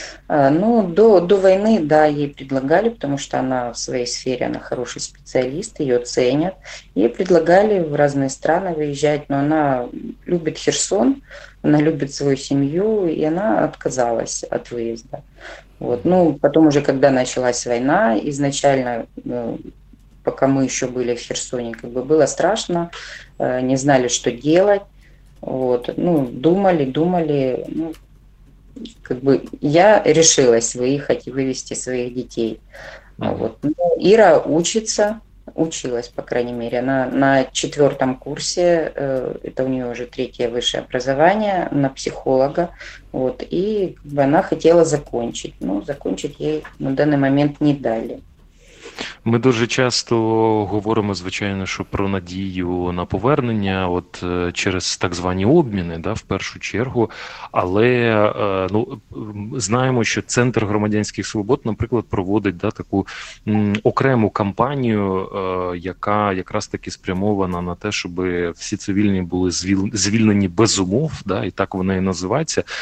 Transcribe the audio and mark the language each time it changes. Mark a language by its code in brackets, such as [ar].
[uk] Ну, до війни, да, їй предлагали, тому що вона в своїй сфері, вона хороший спеціаліст, її оцінять. Їй предлагали в різні країни виїжджати, але вона любить Херсон, вона любить свою сім'ю, і вона відмовилася від виїзду. Вот. [ru] Ну, потом уже, когда началась война, изначально, пока мы еще были в Херсоне, как бы было страшно, не знали, что делать, вот, ну, думали, ну, как бы я решилась выехать и вывести своих детей, вот. Ну, Ира училась, по крайней мере, она на четвертом курсе, это у нее уже третье высшее образование, на психолога, вот, и как бы она хотела закончить, но закончить ей на данный момент не дали. [uk] Ми дуже часто говоримо, звичайно, що про надію на повернення, от через так звані обміни, да, в першу чергу. Але ну, знаємо, що Центр громадянських свобод, наприклад, проводить, да, таку окрему кампанію, яка якраз таки спрямована на те, щоб всі цивільні були звільнені без умов, да, і так вона і називається.